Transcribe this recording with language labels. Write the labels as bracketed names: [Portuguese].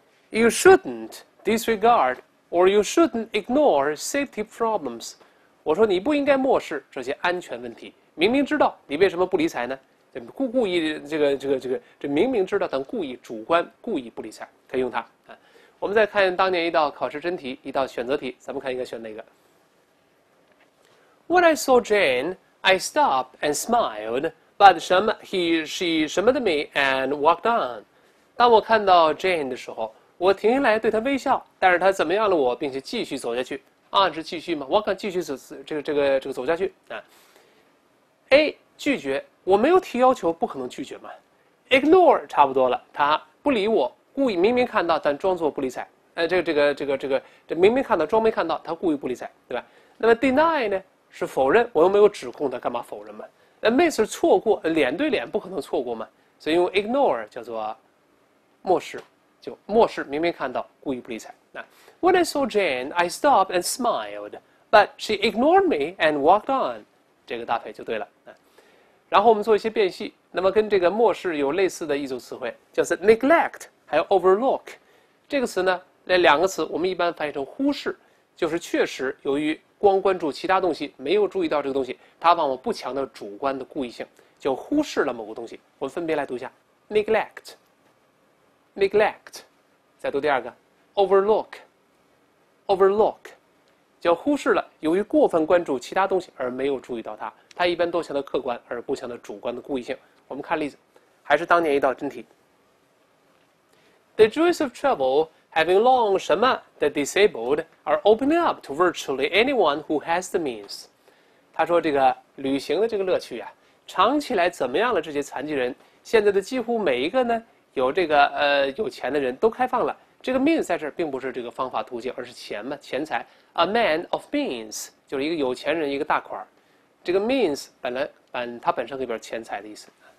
[English] You shouldn't disregard or you shouldn't ignore safety problems。 [Chinese] 我说你不应该漠视这些安全问题，明明知道你为什么不理睬呢？故意这明明知道但故意主观故意不理睬，可以用它啊。我们再看当年一道考试真题，一道选择题，咱们看应该选哪个？ [English] When I saw Jane, I stopped and smiled, but 什么 he she 什么的 me and walked on。 [Chinese] 当我看到 Jane 的时候。我停下来对他微笑，但是他怎么样了我，并且继续走下去。啊，是继续吗？我敢继续走，这个走下去啊。A 拒绝，我没有提要求，不可能拒绝嘛。 Ignore 差不多了，他不理我，故意明明看到但装作不理睬。这明明看到装没看到，他故意不理睬，对吧？那么 deny 呢是否认，我又没有指控他，干嘛否认嘛？那 miss 错过，脸对脸不可能错过嘛，所以用 ignore 叫做漠视。就漠视，明明看到，故意不理睬。 [English] 那 When I saw Jane, I stopped and smiled, but she ignored me and walked on。 [Chinese] 这个搭配就对了。然后我们做一些辨析。那么跟这个漠视有类似的一组词汇，叫做 neglect， 还有 overlook。这个词呢，那两个词我们一般翻译成忽视，就是确实由于光关注其他东西，没有注意到这个东西，它往往不强调主观的故意性，就忽视了某个东西。我们分别来读一下 neglect。Neglect， 再读第二个 ，overlook， 就忽视了，由于过分关注其他东西而没有注意到它。它一般都强调客观，而不强调主观的故意性。我们看例子，还是当年一道真题。 [English] The joys of travel, having long 什么 the disabled, are opening up to virtually anyone who has the means。 [Chinese] 他说这个旅行的这个乐趣呀、啊，长期来怎么样了？这些残疾人现在的几乎每一个呢？有这个有钱的人都开放了，这个 means 在这并不是这个方法途径，而是钱嘛，钱财。 [English] A man of means [Chinese] 就是一个有钱人，一个大款。这个 means 它本身可以表示钱财的意思。